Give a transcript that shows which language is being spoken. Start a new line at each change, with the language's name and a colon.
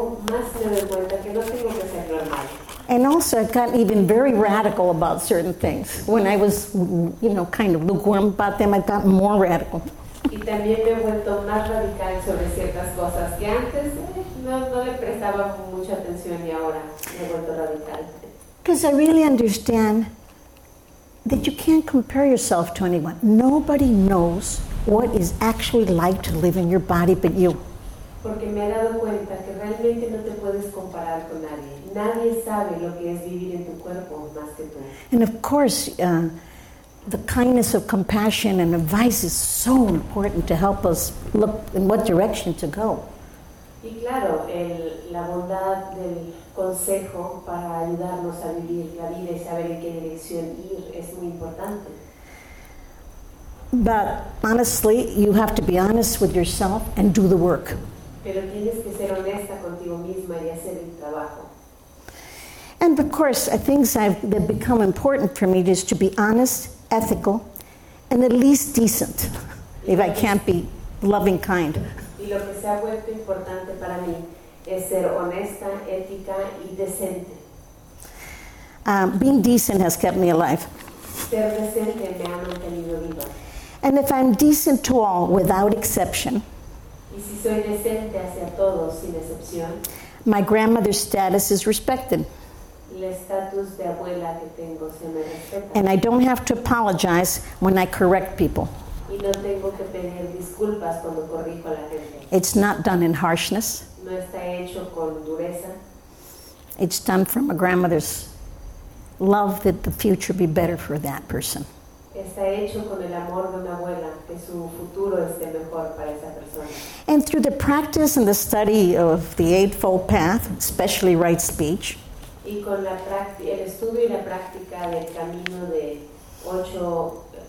English: And also, I've gotten even very radical about certain things. When I was, you know, kind of lukewarm about them, I've gotten more radical.
Spanish: Y también me he vuelto más radical sobre ciertas cosas que antes no le prestaba mucha atención y ahora me he vuelto radical.
English: Because I really understand that you can't compare yourself to anyone. Nobody knows what is actually like to live in your body but you.
Spanish: Porque me he dado cuenta que realmente no te puedes comparar con nadie. Nadie sabe lo que es vivir en tu cuerpo más que tú.
English: And of course... the kindness of compassion and advice is so important to help us look in what direction to go.
Spanish: Y claro, la bondad del consejo para ayudarnos a vivir la vida y saber en qué dirección ir es muy importante.
English: But honestly, you have to be honest with yourself and do the work.
Spanish: Pero tienes que ser honesta contigo misma y hacer el trabajo.
English: And of course, things that become important for me is to be honest, ethical, and at least decent, if I can't be loving kind.
Spanish: Y lo que se ha vuelto importante para mí es ser honesta, ética y decente.
English: Being decent has kept me alive.
Spanish: Ser decente me ha mantenido viva.
English: And if I'm decent to all, without exception,
Spanish: y si soy decente hacia todos, sin excepción,
English: my grandmother's status is respected.
Spanish: El estatus de abuela que tengo se me respeta.
English: And I don't have to apologize when I correct people.
Spanish: Y no tengo que pedir disculpas cuando corrijo a la gente.
English: It's not done in harshness.
Spanish: No está hecho con dureza.
English: It's done from a grandmother's love that the future be better for that person.
Spanish: Está hecho con el amor de una abuela, que su futuro esté mejor para esa persona.
English: And through the practice and the study of the Eightfold Path, especially right speech,
Spanish: y con la el estudio y la práctica del camino de ocho...